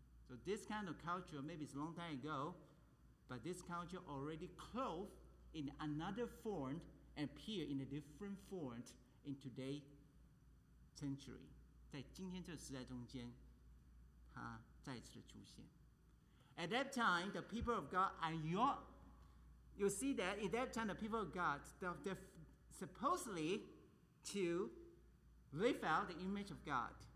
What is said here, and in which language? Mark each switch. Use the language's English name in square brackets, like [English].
[English] So this kind of culture, maybe it's a long time ago, but this culture already clothed in another form and appear in a different form in today's century. [Chinese] 在今天这个时代中间, 它再次的出现。 [English] At that time, the people of God are your... You see that at that time, the people of God, they're supposedly to live out the image of God.